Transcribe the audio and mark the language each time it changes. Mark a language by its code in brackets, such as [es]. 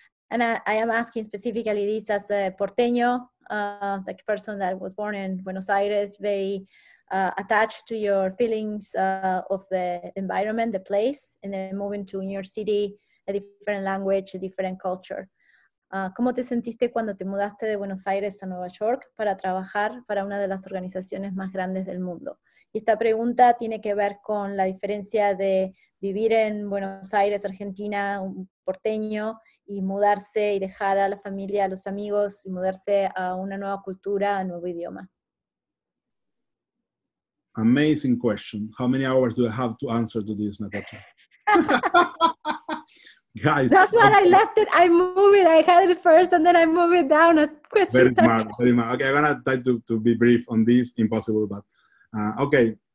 [en] And I am asking specifically this as a porteño, the person that was born in Buenos Aires, very attached to your feelings of the environment, the place, and then moving to New York City, a different language, a different culture. [es] ¿Cómo te sentiste cuando te mudaste de Buenos Aires a Nueva York para trabajar para una de las organizaciones más grandes del mundo? Y esta pregunta tiene que ver con la diferencia de vivir en Buenos Aires, Argentina, un porteño, y mudarse y dejar a la familia, a los amigos, y mudarse a una nueva cultura, a un nuevo idioma. [en] Amazing question. How many hours do I have to answer to this, Natasha? Guys. That's why I left it. I moved it. I had it first, and then I moved it down. Very smart. Okay, I'm going to try to be brief on this. Impossible, but okay.